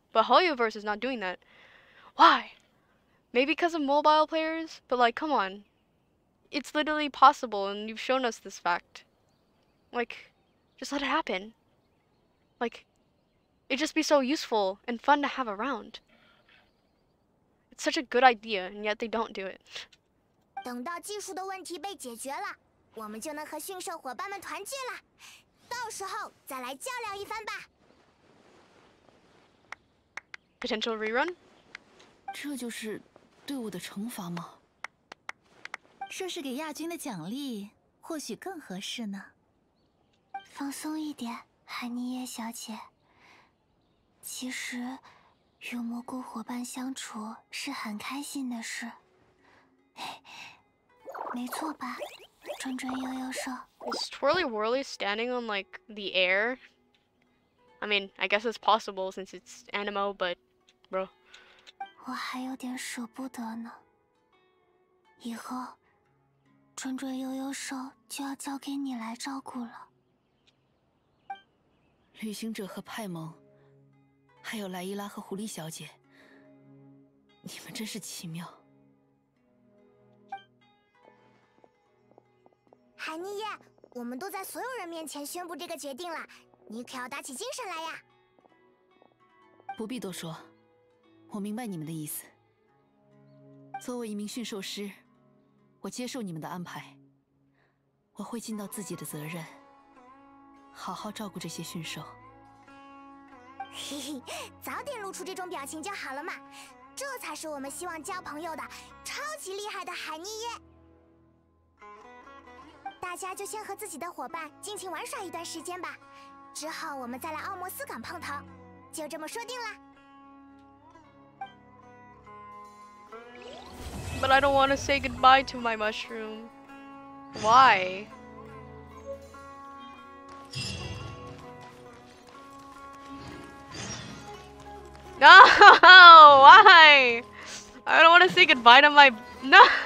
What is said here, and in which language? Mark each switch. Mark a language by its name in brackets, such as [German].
[English] But Hoyoverse is not doing that. Why? Maybe because of mobile players? But like, come on. It's literally possible, and you've shown us this fact. Like, just let it happen. Like, it'd just be so useful and fun to have around. It's such a good idea, and yet they don't do it. [Chinese] 等到技术的问题被解决了，我们就能和驯兽伙伴们团聚了，到时候再来较量一番吧。 [English] Potential rerun? [Chinese] 这就是对我的惩罚吗？说是给亚军的奖励，或许更合适呢。放松一点，海尼耶小姐。其实，与蘑菇伙伴相处是很开心的事。没错吧，转转悠悠兽。 [English] Is twirly whirly standing on like the air? I mean, I guess it's possible since it's animal, but bro. [Chinese] 我还有点舍不得呢。以后，转转悠悠兽就要交给你来照顾了。旅行者和派蒙，还有莱伊拉和狐狸小姐，你们真是奇妙。海尼耶，我们都在所有人面前宣布这个决定了，你可要打起精神来呀。不必多说，我明白你们的意思。作为一名驯兽师，我接受你们的安排，我会尽到自己的责任，好好照顾这些驯兽。嘿嘿，早点露出这种表情就好了嘛，这才是我们希望交朋友的超级厉害的海尼耶。大家就先和自己的伙伴尽情玩耍一段时间吧，之后我们再来奥莫斯港碰头，就这么说定了。 [English] But I don't want to say goodbye to my mushroom. Why? No! Why? I don't want to say goodbye to my- No!